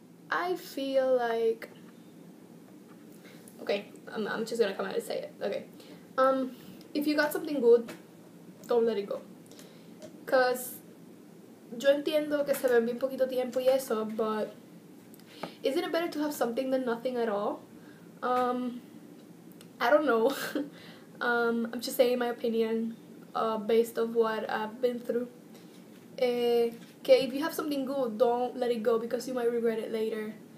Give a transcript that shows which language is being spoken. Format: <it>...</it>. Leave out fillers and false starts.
<en>I feel like... okay, I'm just gonna come out and say it. Okay. If you got something good, don't let it go. Because...</en> <es>yo entiendo que se ven bien poquito tiempo y eso,</es> <en>but... isn't it better to have something than nothing at all? I don't know. I'm just saying my opinion, based of what I've been through. Okay, if you have something good, don't let it go because you might regret it later.</en>